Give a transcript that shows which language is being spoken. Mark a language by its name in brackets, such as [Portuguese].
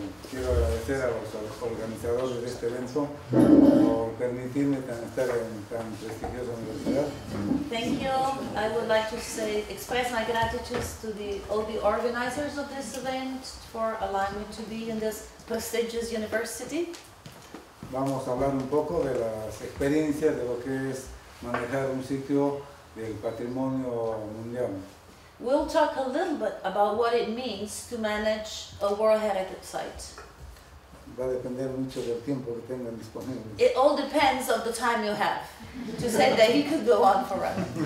[Spanish] Quiero agradecer a los organizadores de este evento por permitirme estar en tan prestigiosa universidad. [English] Thank you. I would like to say, express my gratitude to all the organizers of this event for allowing me to be in this prestigious university. [Spanish] Vamos a hablar un poco de las experiencias de lo que es manejar un sitio del patrimonio mundial. [English] We'll talk a little bit about what it means to manage a World Heritage Site. [Spanish] Va a depender mucho del tiempo que tengan disponible. [English] It all depends on the time you have. To say that he could go on forever.